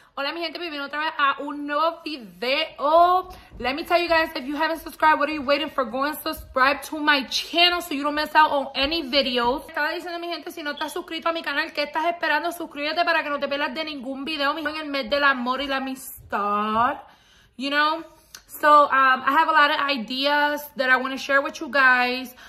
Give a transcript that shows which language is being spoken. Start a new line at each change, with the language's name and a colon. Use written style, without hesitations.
Spanish: Hola mi gente, bienvenido otra vez a un nuevo video.
English: Let me tell you guys, if you haven't subscribed, what are you waiting for? Go and subscribe to my channel so you don't miss out on any videos.
Spanish: Estaba diciendo mi gente, si no estás suscrito a mi canal, ¿qué estás esperando? Suscríbete para que no te pierdas de ningún video. Mi en el mes del amor y la amistad, you know?
English: So, I have a lot of ideas that I want to share with you guys.